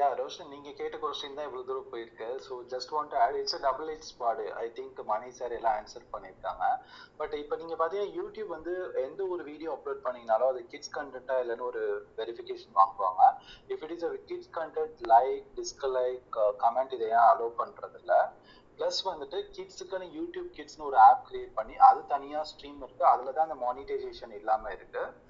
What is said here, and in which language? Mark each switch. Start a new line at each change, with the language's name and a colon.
Tamil: Yeah, Roshan, நீங்க கேட்ட question தான் இவ்வளவு தூரம் போயிருக்கு.
English: So just want to add, it's a double-edged sword. I think
Tamil: Mani sir எல்லாம் answer பண்ணிருக்காங்க. பட் இப்போ நீங்க பாத்தீங்க யூடியூப் வந்து எந்த ஒரு வீடியோ அப்லோட் பண்ணீங்கனாலும் அது கிட்ஸ் கண்டென்ட்டா இல்லைன்னு ஒரு வெரிஃபிகேஷன் வாங்குவாங்க.
English: if it is a kids content like dislike comment
Tamil: இதையா
English: allow
Tamil: பண்றது இல்ல. பிளஸ் வந்துட்டு கிட்ஸுக்கான யூடியூப் கிட்ஸ்னு ஒரு ஆப் கிரியேட் பண்ணி அது தனியா ஸ்ட்ரீம் இருக்கு, அதுல தான் அந்த மானிட்டைசேஷன் இல்லாம இருக்கு.